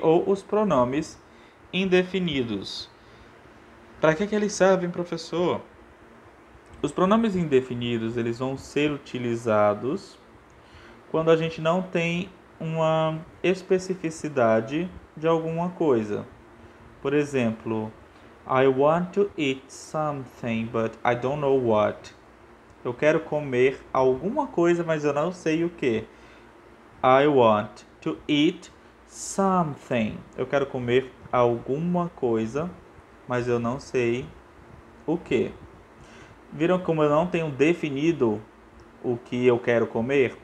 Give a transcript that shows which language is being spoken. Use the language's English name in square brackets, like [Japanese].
[Portuguese] Ou os pronomes indefinidos. Para que que eles servem, professor? Os pronomes indefinidos, eles vão ser utilizados quando a gente não tem uma especificidade de alguma coisa. [English] Por exemplo, I want to eat something, but I don't know what. [Portuguese] Eu quero comer alguma coisa, mas eu não sei o quê. [English] I want to eat something. [Portuguese] Eu quero comer alguma coisa, mas eu não sei o quê. Viram como eu não tenho definido o que eu quero comer?